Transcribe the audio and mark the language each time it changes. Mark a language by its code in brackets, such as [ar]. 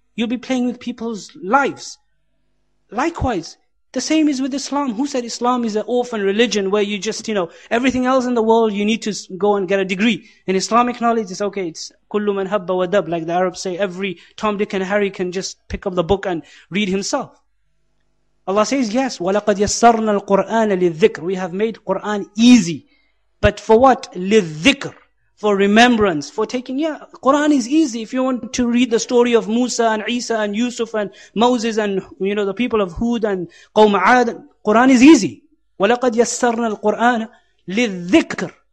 [en] You'll be playing with people's lives. Likewise, the same is with Islam. Who said Islam is an orphan religion where you just, you know, everything else in the world, you need to go and get a degree. In Islamic knowledge, it's okay, it's kullu man habba wa dab, like the Arabs say, every Tom, Dick and Harry can just pick up the book and read himself. Allah says, yes, [ar] وَلَقَدْ يَسَّرْنَا الْقُرْآنَ لِلذِّكْرِ. [en] We have made Qur'an easy. But for what? لِلذِّكْرِ. For remembrance, for taking, yeah, Quran is easy. If you want to read the story of Musa and Isa and Yusuf and Moses and, you know, the people of Hud and Qawm Aad, Quran is easy. [ar] وَلَقَدْ يَسَّرْنَا الْقُرْآنَ لِلذِّكْرِ.